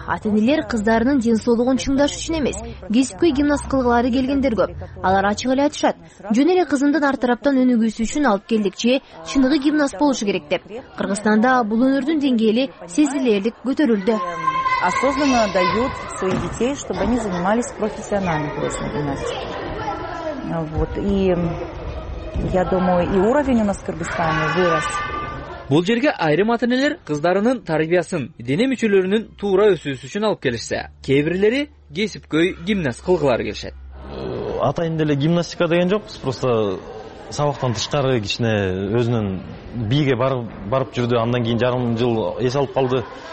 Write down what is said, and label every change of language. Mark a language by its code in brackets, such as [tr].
[ky] Ата-энелер кыздарынын ден соолугун чыңдаш үчүн эмес, кесипкөй гимнасткалары келгендер көп. Алар ачык эле айтышат. Жөн эле кызымдын ар тараптан өнүгүүсү үчүн алып келдик же, чыныгы гимнаст болушу керек деп. Кыргызстанда бул өнөрдүн деңгээли сезилерлик көтөрүлдү. [ru] Осознанно дают своих детей, чтобы они занимались профессионально художественной гимнастикой. Вот, и я думаю, и уровень у нас в Кыргызстане вырос. [ky] Бул жерге айрым ата-энелер кыздарынын тарбиясын дене мүчөлөрүнүн туура өсүүсү үчүн алып келишсе, кээ бирлери кесипкөй гимнаст кылгылары келишет. Атайын деле гимнастика деген жокпуз, просто сабактан тышкары кичине өзүнүн бийге барып жүрдү, андан кийин жарым жыл эс алып калды.